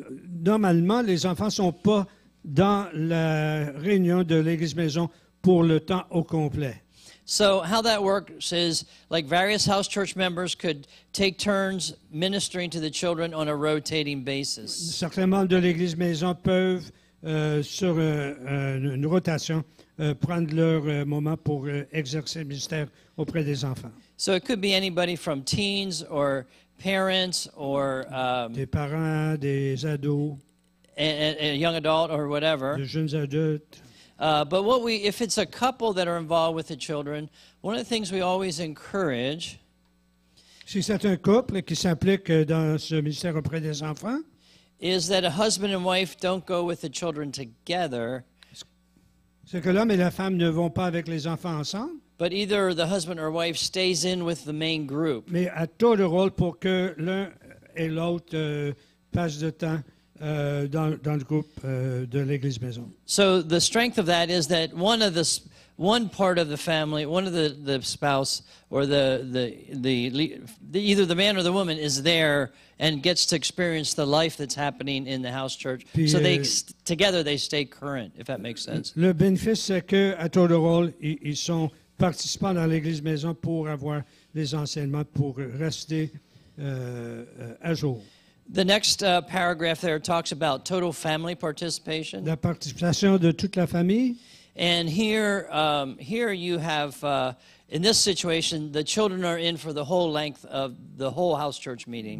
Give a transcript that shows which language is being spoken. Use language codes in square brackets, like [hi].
[fr] Normalement, les enfants sont pas dans la réunion de l'église maison pour le temps au complet. [en] So how that works is like various house church members could take turns ministering to the children on a rotating basis. [fr] Certains membres de l'église maison peuvent sur une rotation prendre leur moment pour exercer le ministère auprès des enfants. [en] So it could be anybody from teens or parents or [fr] des parents, des ados, [en] a young adult or whatever. [fr] Des jeunes adultes. [en] But what we, if it's a couple that are involved with the children, one of the things we always encourage. [fr] Si c'est un couple qui s'implique dans ce ministère auprès des enfants, [en] is that a husband and wife don't go with the children together. [fr] C'est que l'homme et la femme ne vont pas avec les enfants ensemble. [en] But either the husband or wife stays in with the main group. [fr] Mais à tour de rôle pour que l'un et l'autre passent de temps dans le groupe de l'église maison. [en] So the strength of that is that one part of the family, one of the spouse or the either the man or the woman is there and gets to experience the life that's happening in the house church. [fr] Puis, [en] so together they stay current, if that makes sense. [fr] Le bénéfice c'est que à tour de rôle ils sont participants dans l'église maison pour avoir les enseignements pour rester à jour. [en] The next paragraph there talks about total family participation. [fr] La participation de toute la famille. [en] And here, here you have, in this situation, the children are in for the whole length of the whole house church meeting.